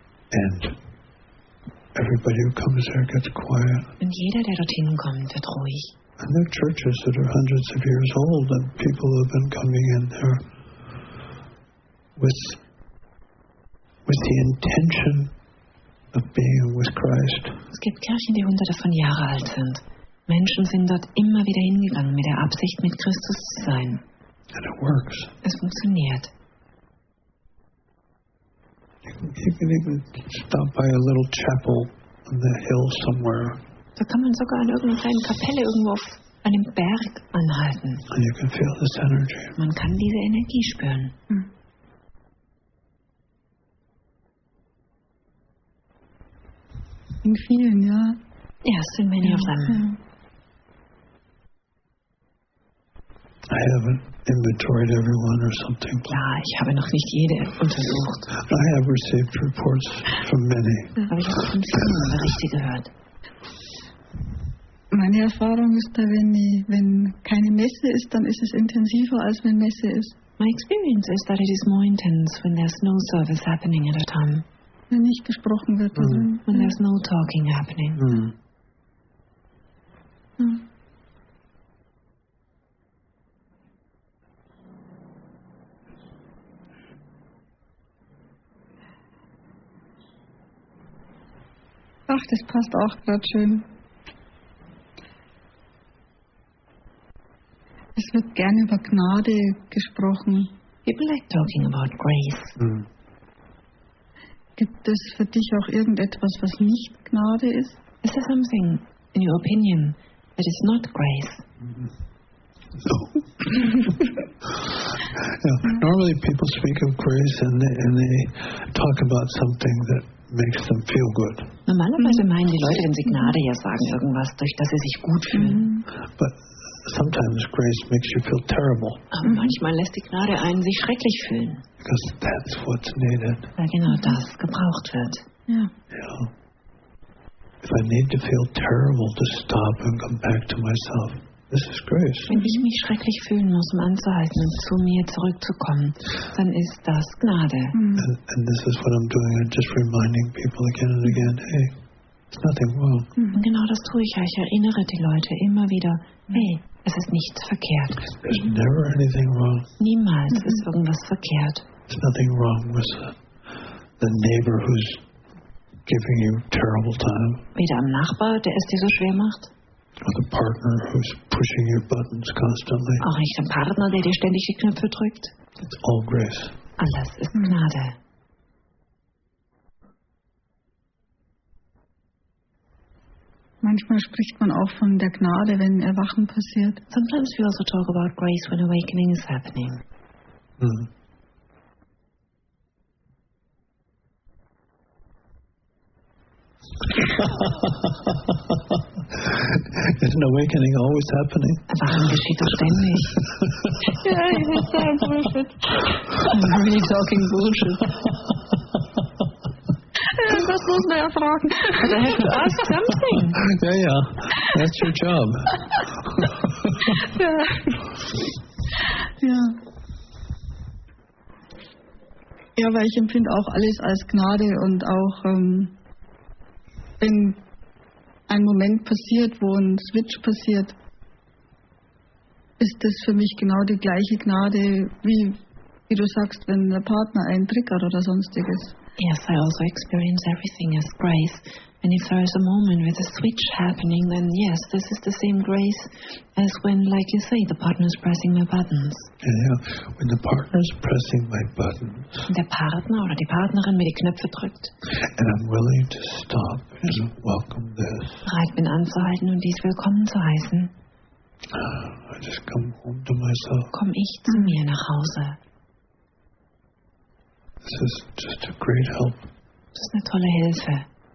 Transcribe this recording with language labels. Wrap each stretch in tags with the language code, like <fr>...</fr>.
<en>And everybody who comes there gets quiet.</en> <de>Und jeder, der dorthin kommt, wird ruhig.</de> <en>And there are churches that are hundreds of years old and people have been coming in there with the intention of being with Christ.</en> <de>Es gibt Kirchen, die hunderte von Jahren alt sind. Menschen sind dort immer wieder hingegangen mit der Absicht, mit Christus zu sein.</de> <en>And it works.</en> <de>Es funktioniert.</de> <en>You can even stop by a little chapel on the hill somewhere.</en> <de>Da kann man sogar an irgendeiner kleinen Kapelle irgendwo auf einem Berg anhalten.</de> <en>And you can feel this energy.</en> <de>Man kann diese Energie spüren. In vielen, ja.</de> <en>Yes, in many of them. I haven't inventoried everyone or something.</en> <de>Ja, ich habe noch nicht jede untersucht.</de> <en>I have received reports from many.</en> <de>Aber ich habe von vielen Berichte gehört. Meine Erfahrung ist da, wenn keine Messe ist, dann ist es intensiver, als wenn Messe ist.</de> <en>My experience is that it is more intense when there's no service happening at a time.</en> <de>Wenn nicht gesprochen wird.</de> <en>When there's no talking happening.</en> <de>Ach, das passt auch gerade schön. Es wird gerne über Gnade gesprochen.</de> <en>People like talking about grace.</en> <de>Gibt es für dich auch irgendetwas, was nicht Gnade ist?</de> <en>Is there something, in your opinion, that is not grace? No. Normally people speak of grace and they talk about something that makes them feel good.</en> <de>Normalerweise meinen die Leute, wenn sie Gnade ja sagen, irgendwas, durch das sie sich gut fühlen.</de> <en>But sometimes grace makes you feel terrible.</en> <de>Aber manchmal lässt die Gnade einen sich schrecklich fühlen.</de> <en>Because that's what's needed.</en> <de>Weil genau das gebraucht wird.</de> <en>Yeah. If I need to feel terrible to stop and come back to myself, this is grace.</en> <de>Wenn ich mich schrecklich fühlen muss, um anzuhalten und zu mir zurückzukommen, dann ist das Gnade.</de> <en>And this is what I'm doing. I'm just reminding people again and again, hey, it's nothing wrong.</en> <de>Und genau das tue ich. Ich erinnere die Leute immer wieder, hey, es ist nichts verkehrt.</de> <en>There's never anything wrong.</en> <de>Niemals ist irgendwas verkehrt.</de> <en>There's nothing wrong with the neighbor who's giving you terrible time.</en> <de>Wieder am Nachbar, der es dir so schwer macht.</de> <en>Or the partner who's pushing your buttons constantly.</en> <de>Auch nicht ein Partner, der dir ständig die Knöpfe drückt.</de> <en>It's all grace.</en> <de>Alles ist Gnade. Manchmal spricht man auch von der Gnade, wenn Erwachen passiert.</de> <en>Sometimes we also talk about grace when awakening is happening. Is an awakening always happening?</en> <de>Erwachen geschieht doch ständig.</de> <en>Yeah, you sound bullshit. I'm really talking bullshit.</en> <de>Das muss man ja fragen. Da hätte ich</de> <en>ask something.</en> <de>Ja, ja.</de> <en>That's your job.</en> <de>Ja. Ja. Ja, weil ich empfinde auch alles als Gnade und auch wenn ein Moment passiert, wo ein Switch passiert, ist das für mich genau die gleiche Gnade, wie du sagst, wenn der Partner einen triggert oder sonstiges.</de> <en>Yes, I also experience everything as grace. And if there is a moment with a switch happening, then yes, this is the same grace as when, like you say, the partner is pressing my buttons. Yeah, when the partner is pressing my buttons.</en> <de>Der Partner oder die Partnerin mir die Knöpfe drückt.</de> <en>And I'm willing to stop and welcome this.</en> <de>Bereit bin anzuhalten und dies willkommen zu heißen.</de> <en>I just come home to myself.</en> <de>Komm ich zu mir nach Hause.</de> <en>This is just a great help.</en> <de>Das ist eine tolle Hilfe.</de>